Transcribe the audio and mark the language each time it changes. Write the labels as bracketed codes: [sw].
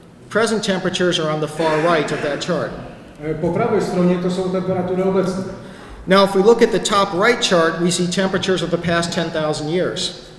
[en] Present temperatures are on the far right of that chart. [pl] Po prawej stronie to są temperatury obecne. [en] Now if we look at the top right chart, we see temperatures of the past 10,000 years.